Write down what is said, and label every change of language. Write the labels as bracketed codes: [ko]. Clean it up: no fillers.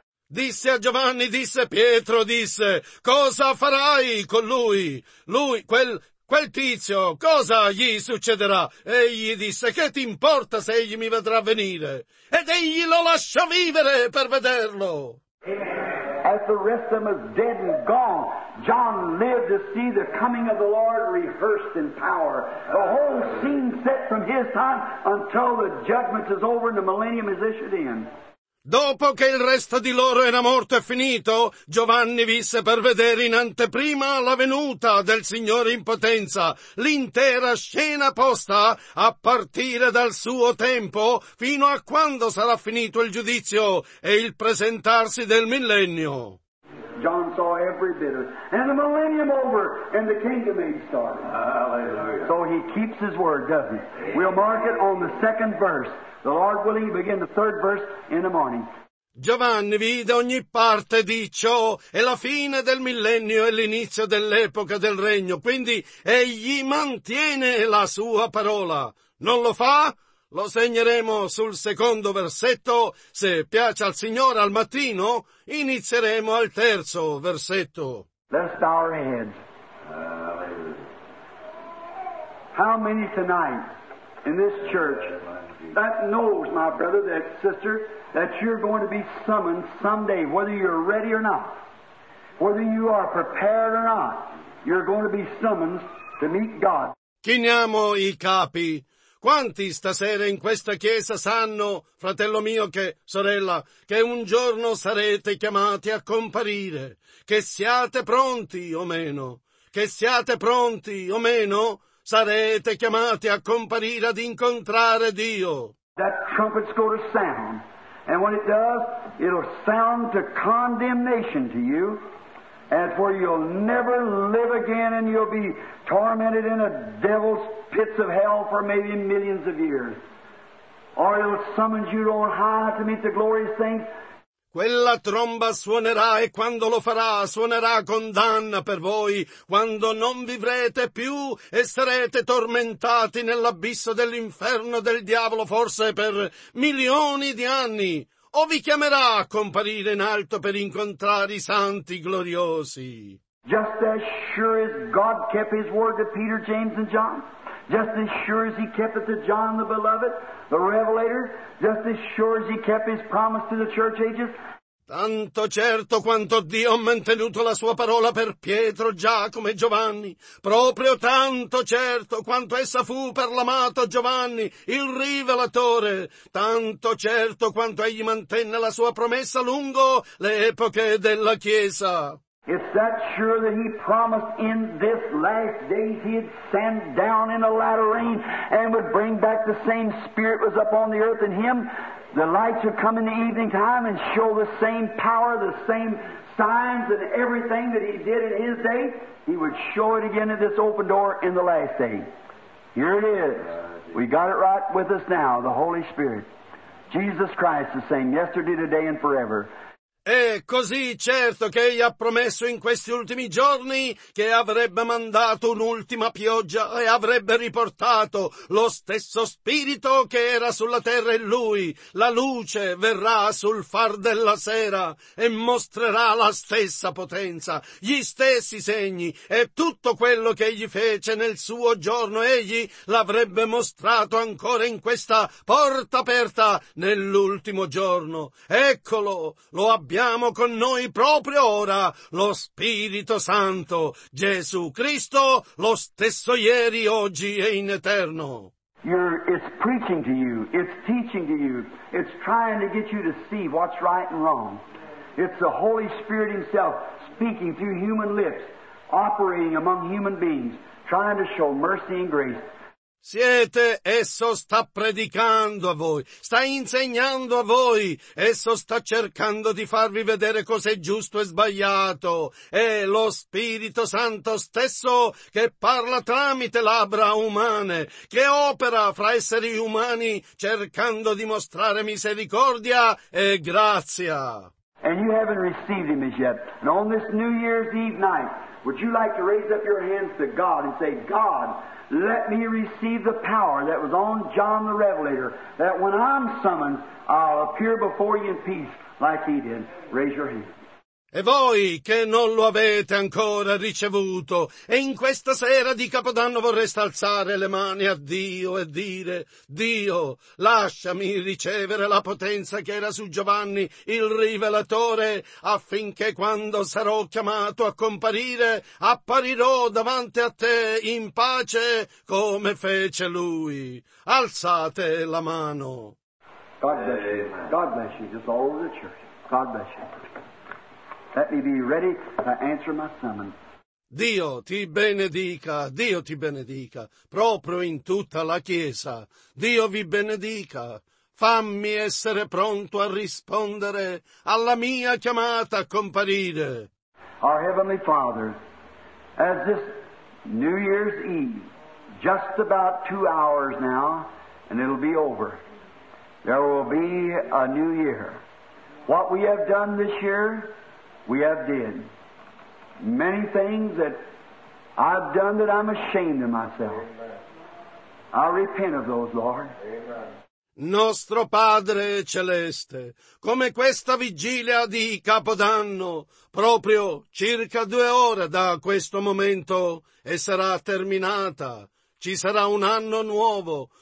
[it] Disse a Giovanni, disse Pietro, disse, cosa farai con lui? Lui, quel tizio, cosa gli succederà? Egli disse, che ti importa se egli mi vedrà venire? Ed egli lo lascia vivere per vederlo. [en] As the rest of them is dead and gone, John lived to see the coming of the Lord rehearsed in power. The whole scene set from his time until the judgment is over and the millennium is issued in. [it] Dopo che il resto di loro era morto e finito, Giovanni visse per vedere in anteprima la venuta del Signore in potenza, l'intera scena posta a partire dal suo tempo fino a quando sarà finito il giudizio e il presentarsi del millennio. [en] John saw every bit of it. And the millennium over and the kingdom age started. Hallelujah. So he keeps his word, doesn't he? We'll mark it on the second verse. The Lord willing, begin the third verse in the morning. [it] Giovanni vide ogni parte di ciò, e la fine del millennio e l'inizio dell'epoca del regno. Quindi egli mantiene la sua parola. Non lo fa? Lo segneremo sul secondo versetto, se piace al Signore al mattino, inizieremo al terzo versetto. [en] Let's bow our heads. How many tonight in this church that knows, my brother, that sister, that you're going to be summoned someday, whether you're ready or not, whether you are prepared or not, you're going to be summoned to meet God. [it] Chiniamo i capi. Quanti stasera in questa chiesa sanno, fratello mio, che, sorella, che un giorno sarete chiamati a comparire, che siate pronti o meno, che siate pronti o meno, sarete chiamati a comparire ad incontrare Dio. [en] That trumpet's going to sound, and when it does, it'll sound to condemnation to you. And for you'll never live again and you'll be tormented in a devil's pits of hell for maybe millions of years. Or it'll summon you on high to meet the glorious saints. [it] Quella tromba suonerà e quando lo farà suonerà condanna per voi, quando non vivrete più e sarete tormentati nell'abisso dell'inferno del diavolo forse per milioni di anni. O vi chiamerà a comparire in alto per incontrare i santi gloriosi. [en] Just as sure as God kept his word to Peter, James and John, just as sure as he kept it to John the Beloved, the Revelator, just as sure as he kept his promise to the church ages. [it] Tanto certo quanto Dio ha mantenuto la sua parola per Pietro, Giacomo e Giovanni, proprio tanto certo quanto essa fu per l'amato Giovanni, il rivelatore, tanto certo quanto egli mantenne la sua promessa lungo le epoche della Chiesa. [en] It's that sure that he promised in this last days he'd send down in a latter rain and would bring back the same spirit was up on the earth in him. The lights would come in the evening time and show the same power, the same signs and everything that he did in his day. He would show it again in this open door in the last day. Here it is. We got it right with us now, the Holy Spirit. Jesus Christ the same yesterday, today and forever. [it] È così certo che egli ha promesso in questi ultimi giorni che avrebbe mandato un'ultima pioggia e avrebbe riportato lo stesso spirito che era sulla terra in lui. La luce verrà sul far della sera e mostrerà la stessa potenza, gli stessi segni, e tutto quello che egli fece nel suo giorno egli l'avrebbe mostrato ancora in questa porta aperta nell'ultimo giorno. Eccolo, lo abbiamo con noi proprio ora, lo Spirito Santo, Gesù Cristo, lo stesso ieri, oggi e in eterno. [en] It's preaching to you, it's teaching to you, it's trying to get you to see what's right and wrong. It's the Holy Spirit Himself speaking through human lips, operating among human beings, trying to show mercy and grace. [it] Siete, esso sta predicando a voi, sta insegnando a voi, esso sta cercando di farvi vedere cos'è giusto e sbagliato. È lo Spirito Santo stesso che parla tramite labbra umane, che opera fra esseri umani cercando di mostrare misericordia e grazia. [en] And you haven't received him as yet. And on this New Year's Eve night, would you like to raise up your hands to God and say, God, let me receive the power that was on John the Revelator, that when I'm summoned, I'll appear before you in peace like he did. Raise your hand. [it] E voi che non lo avete ancora ricevuto, e in questa sera di Capodanno vorreste alzare le mani a Dio e dire, Dio, lasciami ricevere la potenza che era su Giovanni, il Rivelatore, affinché quando sarò chiamato a comparire, apparirò davanti a te in pace come fece lui. Alzate la mano. [en] God bless you. God bless you. Just all over the church. God bless you. Let me be ready to answer my summons. [it] Dio ti benedica, Dio ti benedica, proprio in tutta la Chiesa. Dio vi benedica. Fammi essere pronto a rispondere alla mia chiamata a comparire. [en] Our Heavenly Father, as this New Year's Eve, just about 2 hours now, and it'll be over, there will be a new year. What we have done this year, we have did many things that I've done that I'm ashamed of myself. I repent of those, Lord. Amen. [it] Nostro Padre Celeste, come questa vigilia di Capodanno, proprio circa 2 ore da questo momento e sarà terminata, ci sarà un anno nuovo.